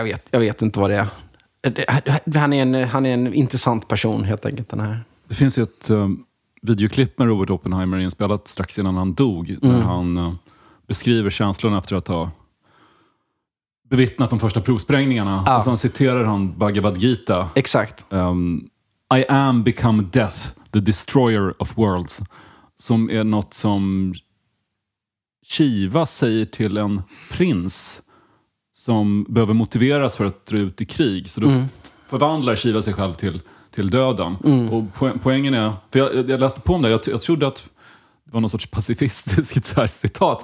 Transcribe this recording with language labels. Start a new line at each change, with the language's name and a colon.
Swedish: Jag vet inte vad det är. Han är en intressant person, helt enkelt, den här. Det finns ju ett videoklipp med Robert Oppenheimer inspelat strax innan han dog, där han beskriver känslan efter att ha bevittnat de första provsprängningarna. Ah. Och sen citerar han Bhagavad Gita. Exakt.
English: I am become death, the destroyer of worlds.
Swedish: Som är något som Shiva säger till en prins som behöver motiveras för att dra ut i krig. Så då förvandlar Shiva sig själv till döden. Mm. Och poängen är, för jag läste på om det, jag trodde att det var någon sorts pacifistiskt citat.